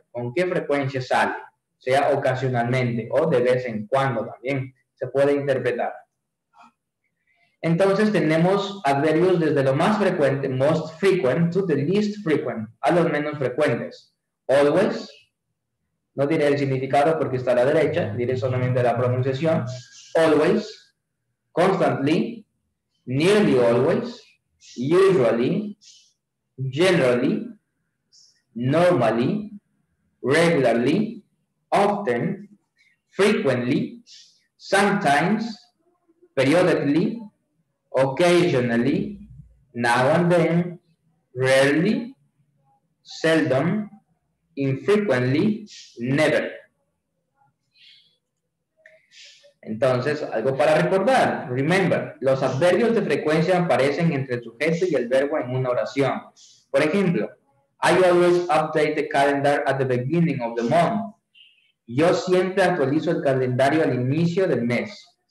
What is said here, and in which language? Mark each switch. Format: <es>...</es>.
<es>¿Con qué frecuencia sale? Sea ocasionalmente o de vez en cuando también. Se puede interpretar. Entonces, tenemos adverbios desde lo más frecuente,</es> <en>most frequent, to the least frequent,</en> <es>a los menos frecuentes. Always, no diré el significado porque está a la derecha, diré solamente la pronunciación.</es> <en>Always, constantly, nearly always, usually, generally, normally, regularly, often, frequently, sometimes, periodically, occasionally, now and then, rarely, seldom, infrequently, never.</en> <es>Entonces, algo para recordar. Remember, los adverbios de frecuencia aparecen entre el sujeto y el verbo en una oración. Por ejemplo,</es> <en>I always update the calendar at the beginning of the month.</en> <es>Yo siempre actualizo el calendario al inicio del mes.</es>